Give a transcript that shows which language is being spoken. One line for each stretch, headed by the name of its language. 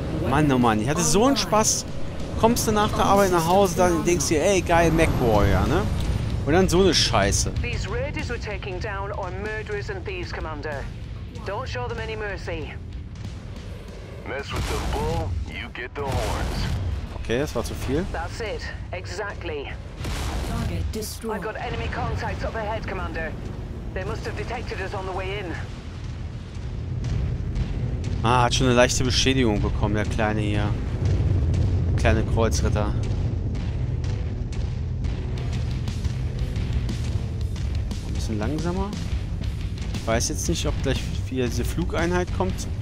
German: Mann, oh Mann, ich hatte so einen Spaß. Kommst du nach der Arbeit nach Hause, dann denkst du dir, ey, geil, MacWarrior, ne? Und dann so eine Scheiße.
English: These raiders are taking down our murderers and thieves, Commander. Don't show them any mercy. Mess with the bull, you get the horns. Okay,
German: das war zu viel.
English: That's it. Exactly. Target destroyed. I've got enemy contacts up ahead, Commander. They must have detected us on the way in.
German: Ah, hat schon eine leichte Beschädigung bekommen, der Kleine hier. Der kleine Kreuzritter. Ein bisschen langsamer. Ich weiß jetzt nicht, ob gleich wieder diese Flugeinheit kommt.